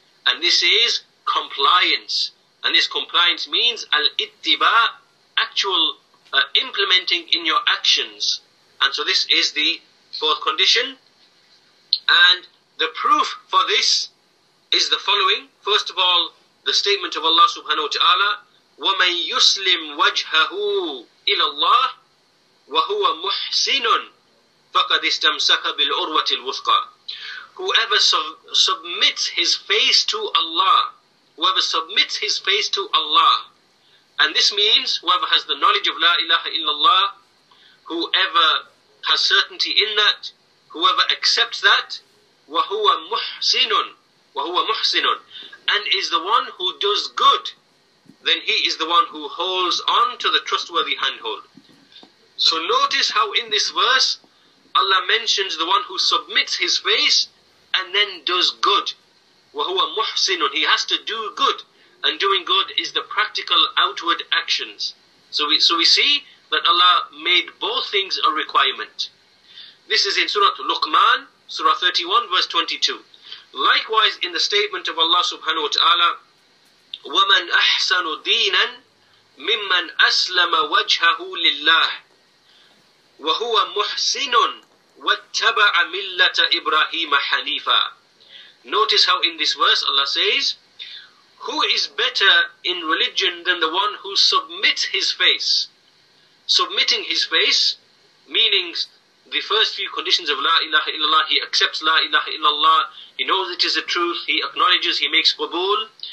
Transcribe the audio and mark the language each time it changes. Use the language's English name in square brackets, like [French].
[English] And this is compliance. And this compliance means al-ittiba, actual implementing in your actions. And so this is the fourth condition. And the proof for this is the following. First of all, the statement of Allah subhanahu wa ta'ala, [Arabic] وَمَنْ يُسْلِمْ وَجْهَهُ إِلَى اللَّهِ وَهُوَ مُحْسِنٌ فَقَدْ اسْتَمْسَكَ بِالْعُرْوَةِ الْوُثْقَى. [English] Whoever submits his face to Allah, whoever submits his face to Allah, and this means whoever has the knowledge of La ilaha illallah, whoever has certainty in that, whoever accepts that, [Arabic] وَهُوَ مُحْسِنٌ وَهُوَ مُحْسِنٌ [English] and is the one who does good, then he is the one who holds on to the trustworthy handhold. So notice how in this verse, Allah mentions the one who submits his face and then does good. [Arabic] وَهُوَ مُحْسِنٌ [English] He has to do good. And doing good is the practical outward actions. So we see that Allah made both things a requirement. This is in Surah Luqman, Surah 31, verse 22. Likewise, in the statement of Allah subhanahu wa ta'ala, [Arabic] وَمَنْ أَحْسَنُ دِينًا مِمَّنْ أَسْلَمَ وَجْهَهُ لِلَّهِ وَهُوَ مُحْسِنٌ وَاتَّبَعَ مِلَّةَ إِبْرَاهِيمَ حَنِيفًا. [English] Notice how in this verse Allah says, who is better in religion than the one who submits his face? Submitting his face, meaning the first few conditions of La ilaha illallah, he accepts La ilaha illallah, he knows it is the truth, he acknowledges, he makes qabool.